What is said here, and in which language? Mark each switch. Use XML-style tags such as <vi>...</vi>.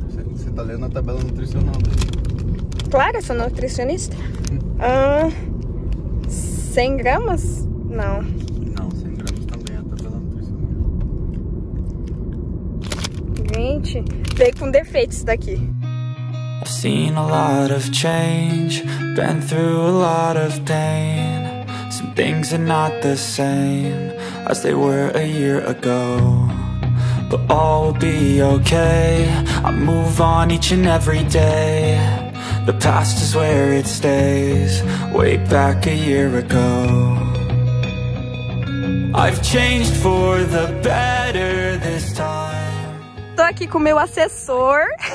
<pt>Você tá lendo a tabela nutricional daí. Claro, eu sou nutricionista. 100 gramas? Não. Não, 100 gramas também é a tabela nutricional. Gente. Veio com defeitos daqui.</pt> <en>I've seen a lot of change, been through a lot of pain. Some things are not the same as they were a year ago. But all will be okay. I move on each and every day. The past is where it stays, way back a year ago. I've changed for the better this time.</en> <pt>Tô aqui com o meu assessor.</pt>